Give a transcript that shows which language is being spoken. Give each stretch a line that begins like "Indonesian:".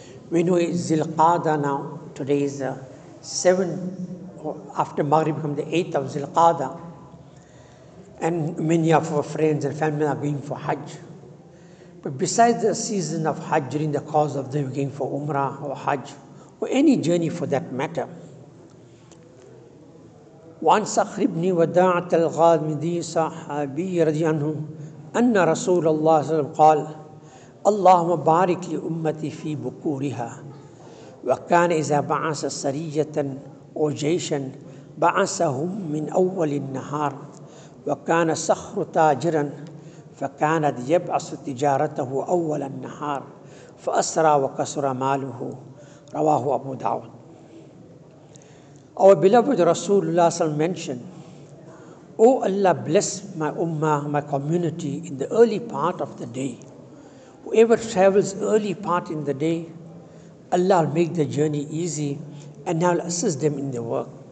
English: We know it's Zilqada now. Today is the 7th, after Maghrib becomes the 8th of Zilqada. And many of our friends and family are going for Hajj. But besides the season of Hajj, during the course of them going for Umrah or Hajj, or any journey for that matter.
Arabic: وَانْسَ أَخْرِبْنِي وَدَاعَةَ الْغَادْمِدِي صَحَابِي رَضِيَنْهُ أَنَّ رَسُولَ اللَّهِ صَلَّى اللَّهُ عَلَيْهِ وَسَلَّمَ قَالْ اللهم بارك لأمتي في بكورها وكان إذا بعث سرية أو جيشا بعثهم من أول النهار وكان صخر تاجرا فكان يبعث تجارته أول النهار فأسرى وكسر ماله رواه أبو داود.
English: Our beloved Rasulullah صلى الله عليه وسلم, O Allah, bless my ummah, my community in the early part of the day. Whoever travels early part in the day, Allah will make the journey easy and now will assist them in their work.